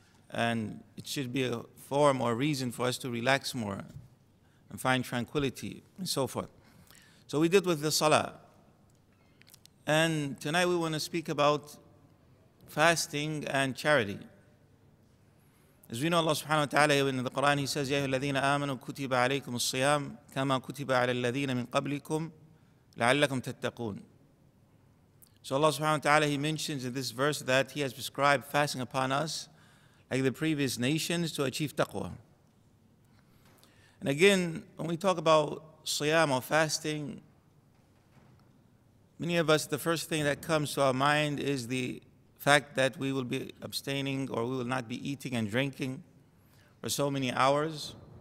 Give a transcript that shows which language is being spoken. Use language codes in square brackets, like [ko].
[en] And it should be a form or reason for us to relax more and find tranquility and so forth. So we did with the salah. And tonight we want to speak about fasting and charity. As we know, Allah subhanahu wa ta'ala in the Quran, He says, [ar] يَا الَّذِينَ آمَنُوا كُتِبَ عَلَيْكُمُ الصِّيَامُ كَمَا كُتِبَ عَلَى الَّذِينَ مِنْ قَبْلِكُمْ لَعَلَّكُمْ تَتَّقُونَ. [en] So Allah subhanahu wa ta'ala, He mentions in this verse that He has prescribed fasting upon us like the previous nations to achieve taqwa. And again, when we talk about siyam or fasting, Many of us, the first thing that comes to our mind is the fact that we will be abstaining or we will not be eating and drinking for so many hours.